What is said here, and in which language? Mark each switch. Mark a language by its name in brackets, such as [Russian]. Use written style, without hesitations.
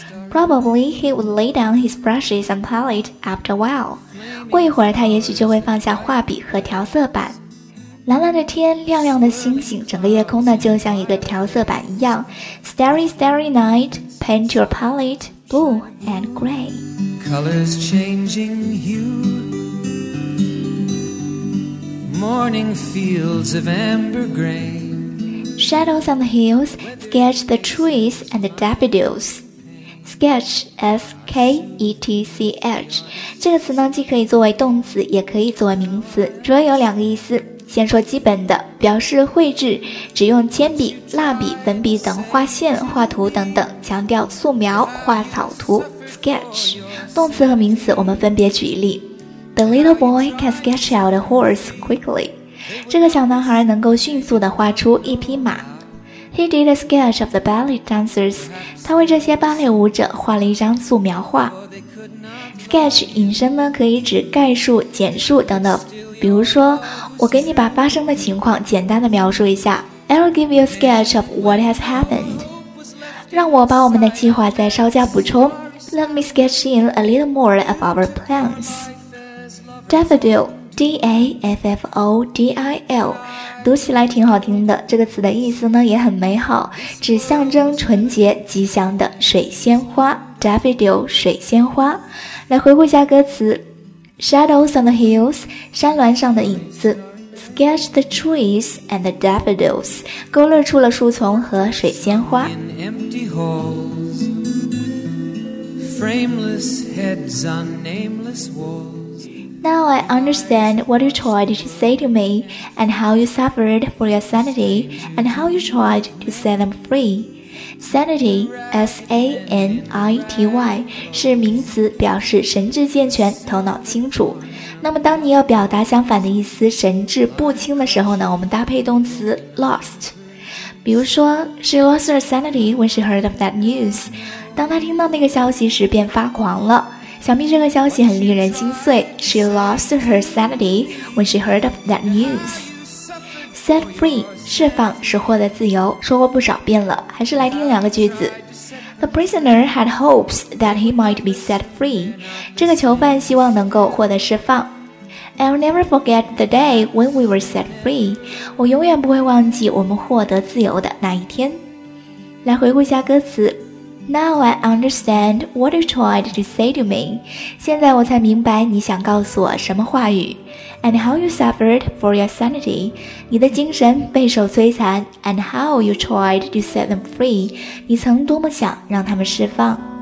[English] Probably he would lay down his brushes and palette after a while. [Chinese] 过一会儿他也许就会放下画笔和调色板。蓝蓝的天，亮亮的星星，整个夜空呢就像一个调色板一样。 [English] Starry, starry night, paint your palette blue and gray. Colors changing hue, morning fields of amber gray. Shadows on the hills sketch the trees and the daffodilsketch, [Chinese] S-K-E-T-C-H 这个词呢，既可以作为动词，也可以作为名词，主要有两个意思。先说基本的，表示绘制，只用铅笔、蜡笔、粉笔等画线、画图等等，强调素描、画草图 sketch。动词和名词我们分别举例。 [English] The little boy can sketch out a horse quickly. [Chinese] 这个小男孩能够迅速地画出一匹马。 [English] He did a sketch of the ballet dancers. [Chinese] 他为这些芭蕾舞者画了一张素描画。Sketch 引申呢，可以指概述、简述等等。比如说，我给你把发生的情况简单的描述一下。 [English] I'll give you a sketch of what has happened. [Chinese] 让我把我们的计划再稍加补充。 [English] Let me sketch in a little more of our plans. [Chinese] Daffodil. D-A-F-F-O-D-I-L 读起来挺好听的，这个词的意思呢也很美好，指象征纯洁吉祥的水仙花。 Daffodil 水仙花。来回顾一下歌词。 [English] Shadows on the hills [Chinese] 山峦上的影子， [English] Sketch the trees and the daffodils [Chinese] 勾勒出了树丛和水仙花。 [English] In empty halls, frameless heads on nameless wallsNow I understand what you tried to say to me, and how you suffered for your sanity, and how you tried to set them free. [Chinese] Sanity, S-A-N-I-T-Y, 是名词，表示神志健全，头脑清楚。那么当你要表达相反的意思，神志不清的时候呢，我们搭配动词 lost。比如说 [English] She lost her sanity when she heard of that news. [Chinese] 当她听到那个消息时便发狂了，想必这个消息很令人心碎。 [English] She lost her sanity when she heard of that news. [Chinese] Set free, 释放，是获得自由。说过不少遍了，还是来听两个句子。 [English] The prisoner had hopes that he might be set free. [Chinese] 这个囚犯希望能够获得释放。 [English] I'll never forget the day when we were set free. [Chinese] 我永远不会忘记我们获得自由的那一天。来回顾一下歌词。 [English] Now I understand what you tried to say to me. [Chinese] 现在我才明白你想告诉我什么话语。 [English] And how you suffered for your sanity. [Chinese] 你的精神备受摧残。 [English] And how you tried to set them free. [Chinese] 你曾多么想让他们释放。